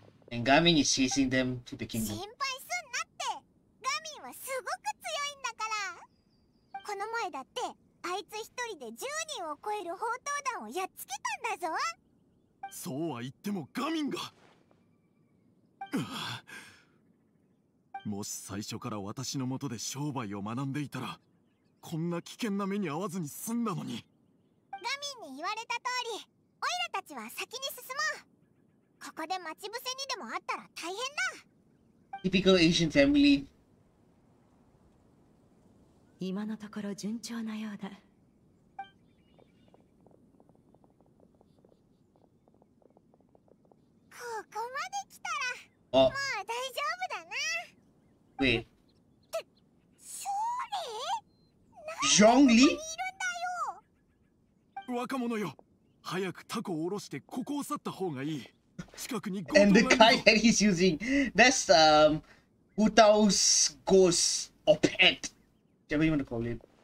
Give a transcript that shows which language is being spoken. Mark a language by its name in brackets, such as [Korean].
[English] And ガミ is chasing them to the kingdom. [Japanese] 心配すんなって。ガミはすごく強いんだから。この前だってあいつ一人で10人を超える砲塔団をやっつけたんだぞ。そうは言ってもガミが。もし最初から私のもとで商売を学んでいたら、こんな危険な目に遭わずに済んだのに。ガミンに言われた通り、オイラたちは先に進もう。ここで待ち伏せにでもあったら大変だ。 [English] Typical Asian family. [Japanese] 今のところ順調なようだ。ここまで来たら、もう大丈夫だな。 Zhongli? 若者よ、早くタコを下ろしてここを去った方がいい。近くに。 [English] And the guy that he's using, that's Wu Tao's ghost or pet, whatever you want to call it.